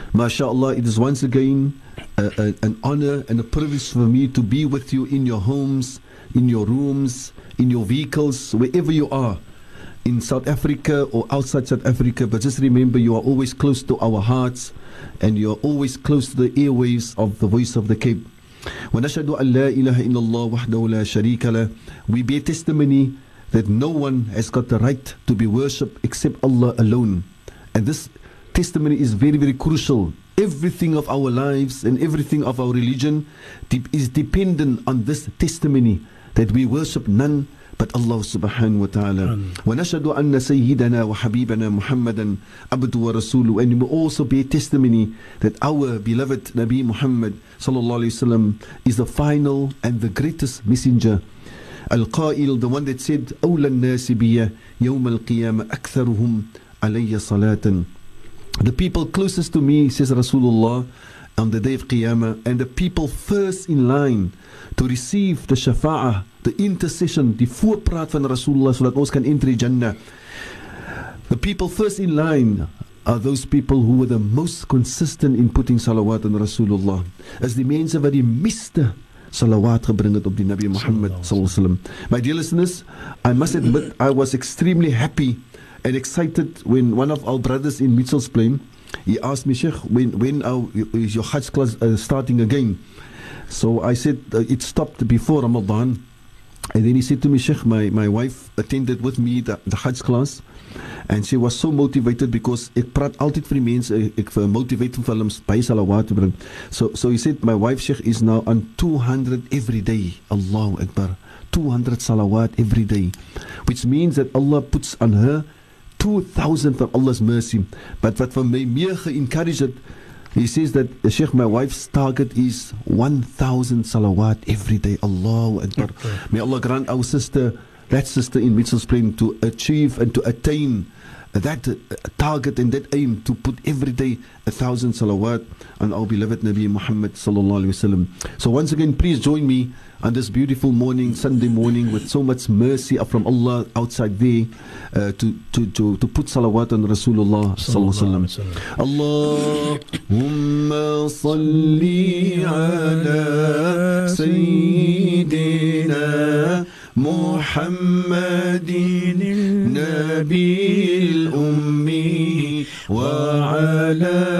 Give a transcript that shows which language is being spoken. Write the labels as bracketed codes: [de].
[en] MashaAllah, it is once again an honor and a privilege for me to be with you in your homes, in your rooms, in your vehicles, wherever you are, in South Africa or outside South Africa. But just remember, you are always close to our hearts and you are always close to the airwaves of the Voice of the Cape. [ar] ونشهد أن لا إله إلا الله وحده لا شريك له. [en] We bear testimony that no one has got the right to be worshipped except Allah alone. And this testimony is very, very crucial. Everything of our lives and everything of our religion is dependent on this testimony that we worship none but Allah subhanahu wa ta'ala. [ar] ونشهد أن سيدنا وحبيبنا محمدا عبده ورسوله. [en] And we also bear testimony that our beloved Nabi Muhammad sallallahu alayhi wa sallam is the final and the greatest messenger. [ar] Al-Qa'il, [en] the one that said, [ar] أولى الناس بي يوم القيامة أكثرهم علي صلاة. [en] The people closest to me, says Rasulullah, on the day of Qiyamah, and the people first in line to receive the Shafa'ah, the intercession, the [af] voorpraat van Rasulullah, [en] so that us can enter Jannah. The people first in line are those people who were the most consistent in putting salawat on Rasulullah. As the [af] mense wat die meeste salawat gebring het op die [en] Nabi Muhammad sallallahu alaihi wasallam. My dear listeners, I must admit, I was extremely happy and excited when one of our brothers in Mitchell's Plain, he asked me, Sheikh, when is your Hajj class starting again? So I said, it stopped before Ramadan. And then he said to me, Sheikh, my wife attended with me the Hajj class. And she was so motivated because [af] ik praat altijd voor die mensen, ik motivate voor hem bij salawat te brengen. [en] So he said, my wife, Sheikh, is now on 200 every day. Allahu Akbar. 200 salawat every day. Which means that Allah puts on her 2,000 for Allah's mercy. But what for me more encouraged, he says that Sheikh, my wife's target is 1,000 salawat every day. Allahu Akbar. Okay. May Allah grant our sister, that sister in Mitchell's Plain, to achieve and to attain that target and that aim to put every day 1,000 salawat on our beloved Nabi Muhammad sallallahu alaihi wasallam. So once again, please join me on this beautiful morning, Sunday morning, with so much mercy from Allah outside there to put salawat on Rasulullah sallallahu alaihi wasallam. [ar] Allahumma salli ala sayyidina محمد النبي الأمي وعلى